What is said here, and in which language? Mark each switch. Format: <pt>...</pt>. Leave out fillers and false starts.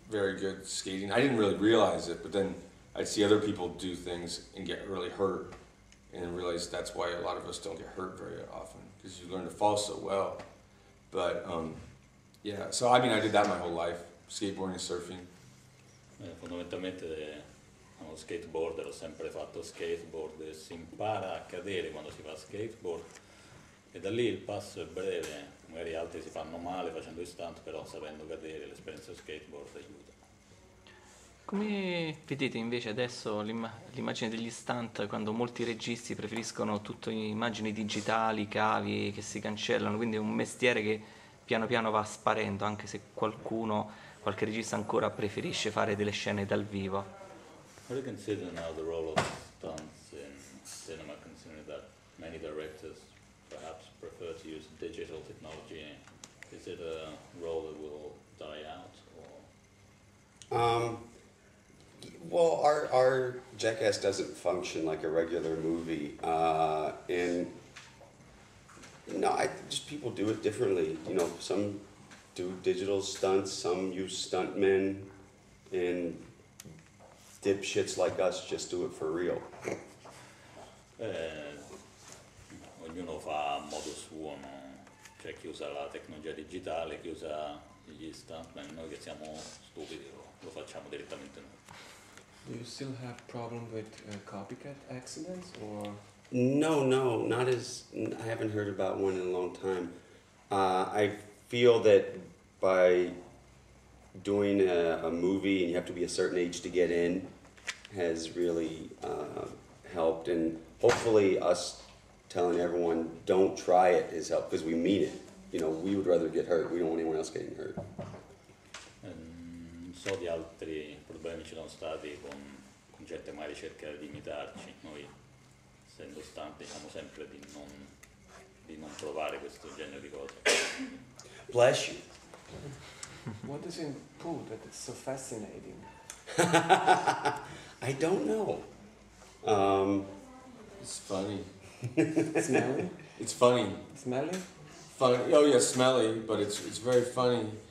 <en>Very good skating. I didn't really realize it, but then I'd see other people do things and get really hurt, and realize that's why a lot of us don't get hurt very often, because you learn to fall so well. But yeah, so I mean, I did that my whole life, skateboarding and surfing.</en> <it>Fondamentalmente, sono skateboarder, ho sempre fatto skateboard, e si impara a cadere quando si fa skateboard, e da lì il passo è breve. Magari altri si fanno male facendo stunt, però sapendo cadere, l'esperienza skateboard aiuta. Come vedete invece adesso l'immagine degli stunt, quando molti registi preferiscono tutte immagini digitali, cavi che si cancellano, quindi è un mestiere che piano piano va sparendo, anche se qualche regista ancora preferisce fare delle scene dal vivo.</it> <en>How do you consider now the role of stunts in cinema, considering that many directors perhaps prefer to use digital technology? Is it a role that will die out, or? Well, our Jackass doesn't function like a regular movie, and people do it differently. You know, some do digital stunts, some use stuntmen, and dipshits like us just do it for real.</en> <it>Ognuno fa a modo suo, no? C'è chi usa la tecnologia digitale, chi usa gli stuntmen. Noi che siamo stupidi lo facciamo direttamente noi.</it> <en>Do you still have problem with copycat accidents, or? No, not as, I haven't heard about one in a long time. I feel that by doing a movie and you have to be a certain age to get in has really helped. And hopefully us telling everyone don't try it has helped, because we mean it. You know, we would rather get hurt. We don't want anyone else getting hurt.</en> <it>Non so di altri problemi ci sono stati con gente magari cercare di imitarci. Noi, essendo stanti, siamo sempre di non provare questo genere di cose.</it> <en>Bless you. What is in pool that is so fascinating? I don't know. It's funny. Smelly? It's funny. Smelly? Funny. Oh yeah, smelly, but it's very funny.</en>